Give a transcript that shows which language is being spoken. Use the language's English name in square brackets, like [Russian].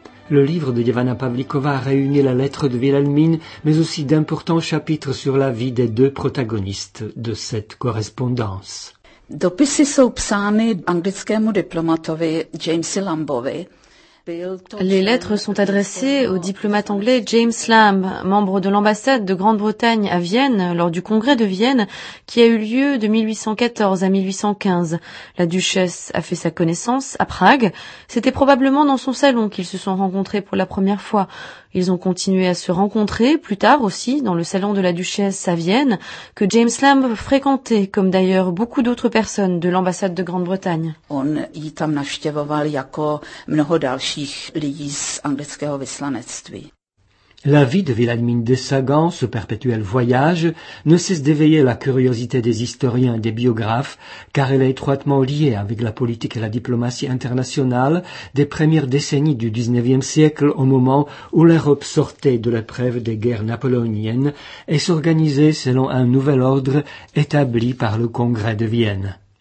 [French] Le livre de Gevanna Pavlikova réunit la lettre de Wilhelmine, mais aussi d'importants chapitres sur la vie des deux protagonistes de cette correspondance. [Czech] Dopisy jsou psány anglickému diplomatovi Jamesi Lambovi. [French] Les lettres sont adressées au diplomate anglais James Lamb, membre de l'ambassade de Grande-Bretagne à Vienne lors du congrès de Vienne qui a eu lieu de 1814 à 1815. La duchesse a fait sa connaissance à Prague. C'était probablement dans son salon qu'ils se sont rencontrés pour la première fois. Ils ont continué à se rencontrer plus tard aussi dans le salon de la duchesse à Vienne que James Lamb fréquentait, comme d'ailleurs beaucoup d'autres personnes de l'ambassade de Grande-Bretagne. [Czech] On y tam navštěvoval jako mnoho dalších lidí z anglického vyslanectví. [French] La vie de Wilhelmine de Sagan, ce perpétuel voyage, ne cesse d'éveiller la curiosité des historiens et des biographes, car elle est étroitement liée avec la politique et la diplomatie internationale des premières décennies du XIXe siècle, au moment où l'Europe sortait de l'épreuve des guerres napoléoniennes et s'organisait selon un nouvel ordre établi par le Congrès de Vienne.